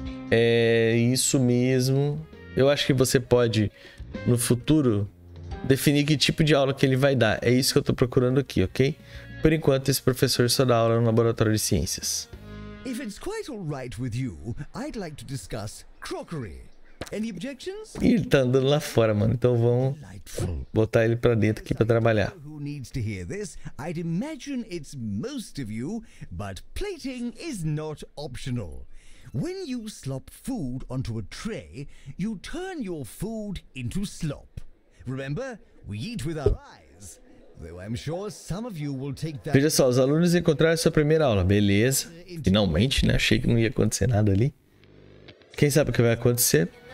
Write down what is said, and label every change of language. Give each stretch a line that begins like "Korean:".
Portuguese: É isso mesmo. Eu acho que você pode, no futuro, definir que tipo de aula que ele vai dar. É isso que eu tô procurando aqui, ok? Por enquanto, esse professor só dá aula no laboratório de ciências.
English: If it's quite all right with you, I'd like to discuss crockery. Any objections?
Portuguese: Ih, ele tá andando lá fora, mano. Então vamos botar ele pra dentro aqui pra trabalhar.
English: Needs to hear this. I'd imagine it's most of you, but plating is not optional. When you slop food onto a tray, you turn your food into slop. Remember, we eat with our eyes. Though I'm sure some of you will take that.
Portuguese: Veja só, os alunos encontraram a sua primeira aula. Beleza. Finalmente, né? Achei que não ia acontecer nada ali. Quem sabe o que vai acontecer?